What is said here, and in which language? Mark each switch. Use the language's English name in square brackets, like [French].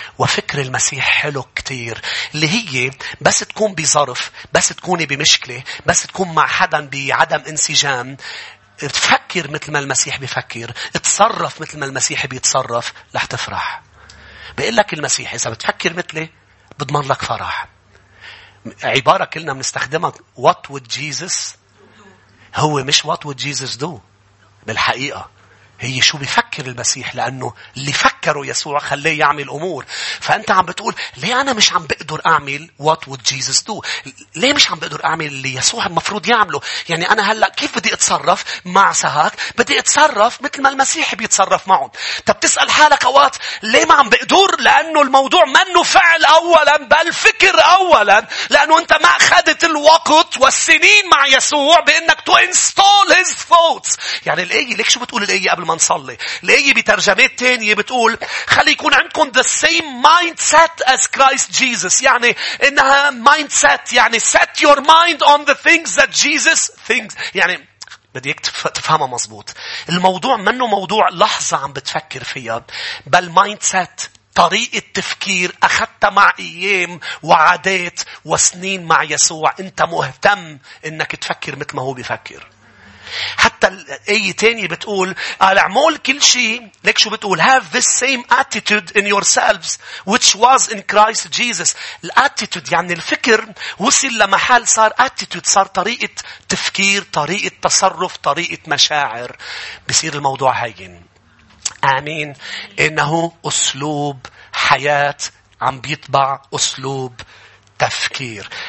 [Arabic] وفكر المسيح حلو كتير. اللي هي بس تكون بظرف بس تكوني بمشكله بس تكون مع حدا بعدم انسجام تفكر مثل ما المسيح بيفكر. تصرف مثل ما المسيح بيتصرف لح تفرح. بيقول لك المسيح إذا بتفكر مثلي بضمن لك فرح. عبارة كلنا بنستخدمها [English] What would Jesus do. [Arabic] هو مش [English] What would Jesus do [Arabic] بالحقيقة. هي شو بيفكر المسيح. لأنه اللي فكره يسوع خليه يعمل أمور. فأنت عم بتقول ليه أنا مش عم بقدر أعمل [English] What would Jesus do. [Arabic] ليه مش عم بقدر أعمل اللي يسوع المفروض يعمله. يعني أنا هلأ كيف بدي أتصرف مع سهاك. بدي أتصرف مثل ما المسيح بيتصرف معهم. طب تسأل حالك أوقات ليه ما عم بقدر. لأنه الموضوع منه فعل أولا بل فكر أولا. لأنه أنت ما أخذت الوقت والسنين مع يسوع بأنك [English] to install his thoughts. [Arabic] يعني الآية ليك شو بتقول الآية قبل ما نصلي. لأي بترجمات تانية بتقول خلي يكون عندكم [English] the same mindset as Christ Jesus. [Arabic] يعني إنها mindset يعني [English] set your mind on the things that Jesus thinks. [Arabic] يعني بديك تفهمها مظبوط. الموضوع منه موضوع لحظة عم بتفكر فيها بل mindset طريقة تفكير أخذتها مع أيام وعادات وسنين مع يسوع. أنت مهتم إنك تفكر مثل ما هو بيفكر. حتى الآية تانية بتقول على عمول كل شيء. لك شو بتقول؟ [English] Have this same attitude in yourselves which was in Christ Jesus. [Arabic] الاتيتود يعني الفكر وصل لمحل صار attitude, صار طريقة تفكير, طريقة تصرف, طريقة مشاعر. بصير الموضوع هين. آمين. إنه أسلوب حياة عم بيطبع أسلوب تفكير.